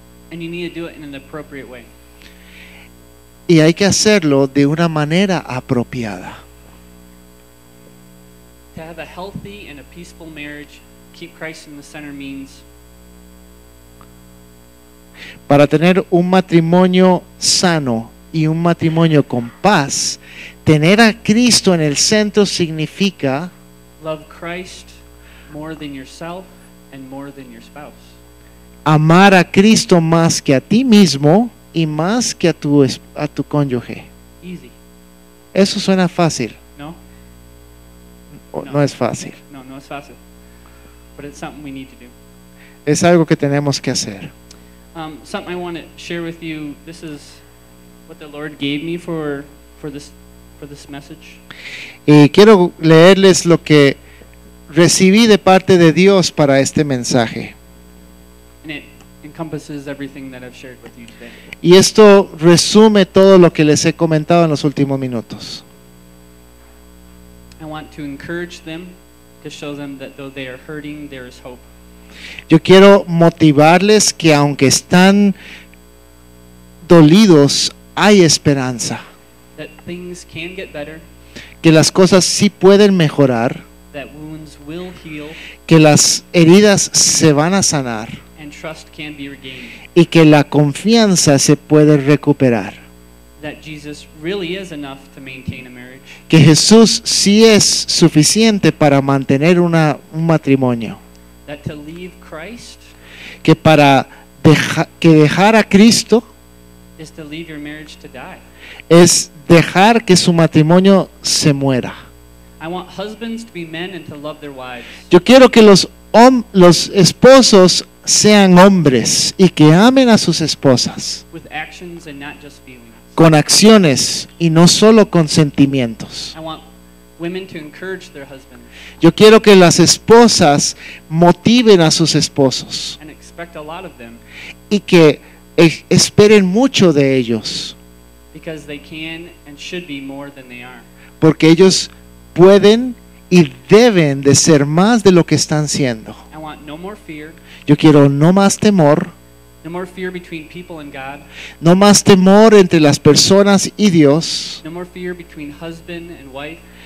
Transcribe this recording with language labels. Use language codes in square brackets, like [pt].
[en] And you need to do it in an appropriate way. [es] Y hay que hacerlo de una manera apropiada. [en] To have a healthy and a peaceful marriage, keep Christ in the center means. [es] Para tener un matrimonio sano y un matrimonio con paz, tener a Cristo en el centro significa [en] love Christ more than yourself and more than your spouse. [es] Amar a Cristo más que a ti mismo y más que a tu cónyuge. [en] Easy. [es] Eso suena fácil. [en] No. [es] No es fácil. No es fácil. [en] But it's something we need to do. [es] Es algo que tenemos que hacer. [en] Something I want to share with you. This is what the Lord gave me for this message. [es] Y quiero leerles lo que recibí de parte de Dios para este mensaje. [en] And it encompasses everything that I've shared with you today. [es] Y esto resume todo lo que les he comentado en los últimos minutos. [en] I want to encourage them to show them that though they are hurting, there is hope. [es] Yo quiero motivarles que aunque están dolidos, hay esperanza. [en] That things can get better. [es] Que las cosas sí pueden mejorar. [en] That wounds will heal. [es] Que las heridas se van a sanar. [en] And trust can be regained. [es] Y que la confianza se puede recuperar. [en] That Jesus really is enough to maintain a marriage. [es] Que Jesús sí es suficiente para mantener un matrimonio. [en] That to leave Christ, [es] que para dejar a Cristo [en] is to leave your marriage to die. [es] Es dejar que su matrimonio se muera. [en] I want husbands to be men and to love their wives. [es] Yo quiero que los esposos sean hombres y que amen a sus esposas [en] with actions and not just feelings. [es] Con acciones y no solo con sentimientos. [en] I want women to encourage their husbands. [es] Yo quiero que las esposas motiven a sus esposos. [en] And expect a lot of them. [es] Y que esperen mucho de ellos. [en] Because they can and should be more than they are. [es] Porque ellos pueden y deben de ser más de lo que están siendo. [en] I want no more fear. [es] Yo quiero no más temor. [en] No more fear between people and God. [es] No más temor entre las personas y Dios. [en] No more fear between husband and wife.